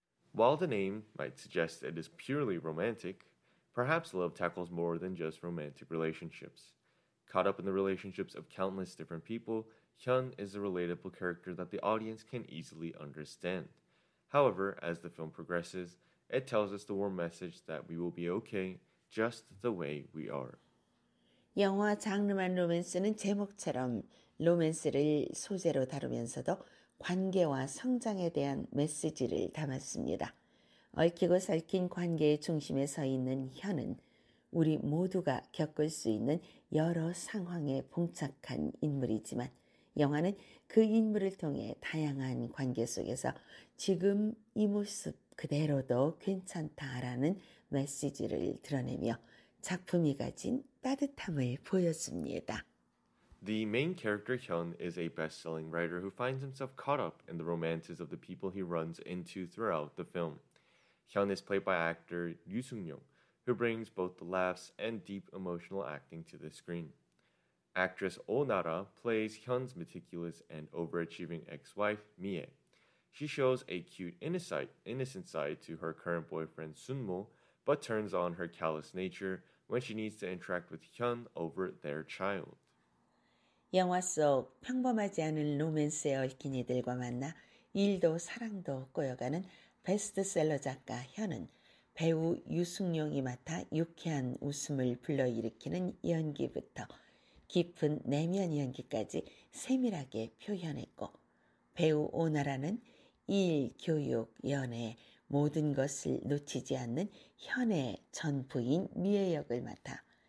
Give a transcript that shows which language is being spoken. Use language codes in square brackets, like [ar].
[en] While the name might suggest it is purely romantic, Perhaps Love tackles more than just romantic relationships. Caught up in the relationships of countless different people, Hyun is a relatable character that the audience can easily understand. However, as the film progresses, it tells us the warm message that we will be okay just the way we are. [ko] 영화 장르만 로맨스는 제목처럼 로맨스를 소재로 다루면서도 관계와 성장에 대한 메시지를 담았습니다. 얽히고 설킨 관계의 중심에 서 있는 현은 우리 모두가 겪을 수 있는 여러 상황에 봉착한 인물이지만 영화는 그 인물을 통해 다양한 관계 속에서 지금 이 모습 그대로도 괜찮다라는 메시지를 드러내며 작품이 가진 따뜻함을 보였습니다. [en] The main character Hyun is a best-selling writer who finds himself caught up in the romances of the people he runs into throughout the film. Hyun is played by actor Yoo Sung-yong, who brings both the laughs and deep emotional acting to the screen. Actress Oh Na-ra plays Hyun's meticulous and overachieving ex-wife, Mi-ae. She shows a cute innocent side to her current boyfriend, Sun-mo, but turns on her callous nature when she needs to interact with Hyun over their child. [ko] 영화 속 평범하지 않은 로맨스에 얽힌 이들과 만나 일도 사랑도 꼬여가는 베스트셀러 작가 현은 배우 유승용이 맡아 유쾌한 웃음을 불러일으키는 연기부터 깊은 내면 연기까지 세밀하게 표현했고 배우 오나라는 일, 교육, 연애 모든 것을 놓치지 않는 현의 전 부인 미애 역을 맡아